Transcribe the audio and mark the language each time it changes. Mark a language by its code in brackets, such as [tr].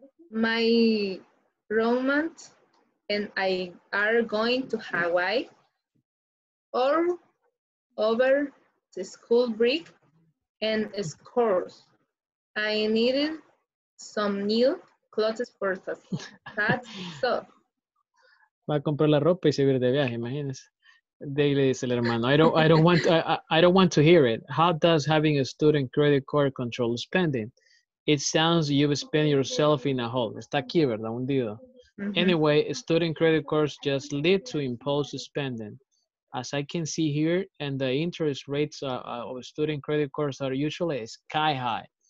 [en] My roommate and I are going to Hawaii or over the school break. And of course, I needed some new clothes for that. That's so. [es] Va a comprar la ropa y se ir de viaje, imagínese. De ahí le dice el hermano, [en] I don't want to hear it. How does having a student credit card control spending? It sounds you've spent yourself in a hole. [es] Está aquí, ¿verdad? Hundido. [en] Anyway, student credit cards just lead to impulse spending. As I can see here, and the interest rates of student credit cards are usually sky high.